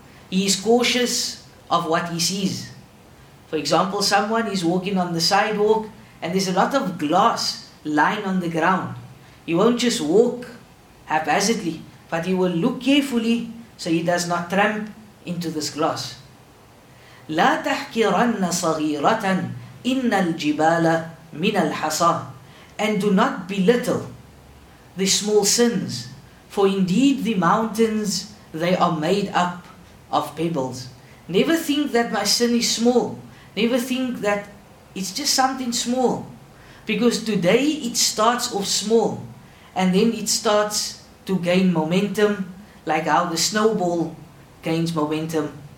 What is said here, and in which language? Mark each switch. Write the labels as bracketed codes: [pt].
[en] He is cautious of what he sees. For example, someone is walking on the sidewalk and there's a lot of glass lying on the ground. He won't just walk haphazardly, but he will look carefully so he does not tramp into this glass. [ar] لا تحقرن صغيرة إن الجبال من الحصى. [en] And do not belittle the small sins, for indeed the mountains, they are made up of pebbles. Never think that my sin is small. Never think that it's just something small. Because today it starts off small, and then it starts to gain momentum, like how the snowball gains momentum.